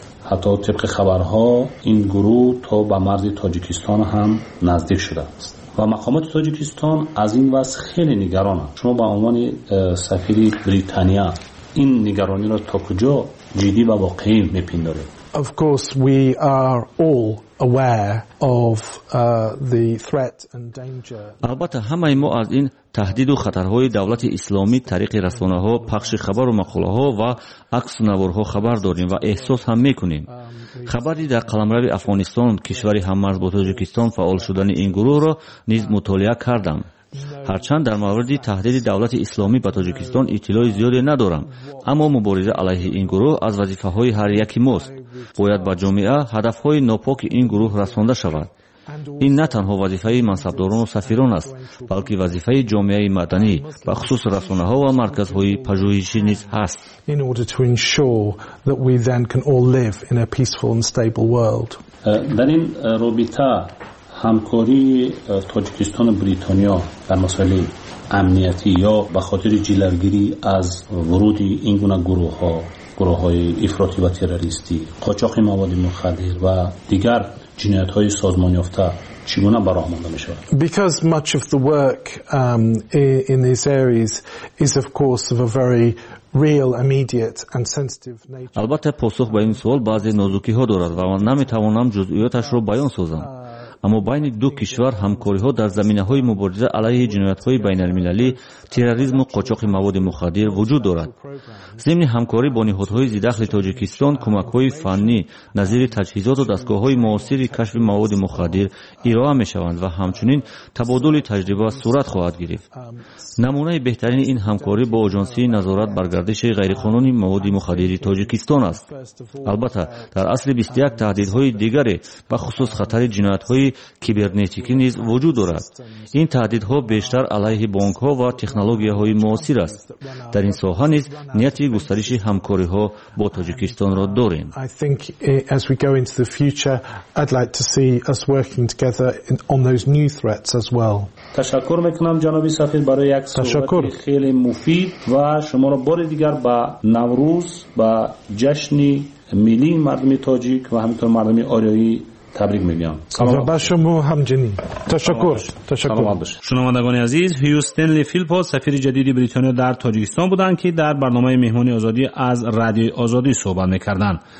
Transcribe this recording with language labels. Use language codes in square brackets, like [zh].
[fa] حتی طبق خبرها این گروه تا به مرز تاجیکستان هم نزدیک شده است و مقامات تاجیکستان از این وضع خیلی نگران هست. شما به عنوان سفیر بریتانیا این نگرانی را تا کجا جدی و واقعی می پندارید؟ [en] Of course we are all aware of the threat and danger. [fa] البته همه ما از این تهدید و خطرهای دولت اسلامی طریق رسانه‌ها، پخش خبر و مقاله‌ها و عکس نوارها خبر داریم و احساس هم می‌کنیم. خبری در قلمرو افغانستان، کشوری هممرز با تاجیکستان فعال شدن این گروه را نیز مطالعه کردم. هرچند در مورد تهدید دولت اسلامی به تاجیکستان اطلاع زیادی ندارم، اما مبارزه علیه این گروه از وظیفه های هر یکی ماست. باید به جامعه هدف های ناپاک این گروه رسانده شود. این نه تنها وظیفه منصبداران و سفیران است، بلکه وظیفه جامعه مدنی و خصوص رسانه ها و مرکز های پژوهشی نیز هست. [en] In order to ensure that we then can all live in a peaceful and stable world. [fa] در این رابطه همکاری تاجیکستان و بریتانیا در مسائل امنیتی یا به خاطر جلوگیری از ورود این گونه گروه ها، گروه های افراطی و تروریستی، قاچاق مواد مخدر و دیگر جنایت های سازمان یافته چگونه براه مانده می شود؟ [en] Because much of the work in these areas is of course of a very real immediate and sensitive nature. [fa] البته پاسخ به این سوال بعضی نازکی ها دارد و من نمی توانم جزئیاتش را بیان سازم، اما بین دو کشور همکاری ها در زمینه های مبارزه علیه جنایت های بین المللی، تروریسم و قاچاق مواد مخدر وجود دارد. ضمن همکاری با نهادهای ذی‌دخل تاجیکستان، کمک های فنی نظیر تجهیزات و دستگاه های موثر کشف مواد مخدر ارائه می شوند و همچنین تبادل تجربه صورت خواهد گرفت. نمونه بهترین این همکاری با آژانس نظارت بر گردش غیرقانونی مواد مخدر تاجیکستان است. البته در اصل 21 تهدیدهای دیگری به خصوص خطر جنایت های کیبرنتیکی نیز وجود دارد. این تهدیدها بیشتر علیه بانک ها و تکنولوژی های معاصر است. در این ساحه نیز نیت گسترش همکاری ها با تاجیکستان را داریم. [en] I think as we go into the future I'd like to see us working together on those new threats as well. [fa] تشکر میکنم جناب سفیر برای یک صحبت خیلی مفید و شما را بار دیگر با نوروز با جشن ملی مردم تاجیک و همینطور مردم آریایی تبریک میگم. سلام به شما همچنین. تشکر. شنوندگان عزیز، هیو استنلی فیلپو سفیر جدید بریتانیا در تاجیکستان بودند که در برنامه مهمانی آزادی از رادیو آزادی صحبت میکردند.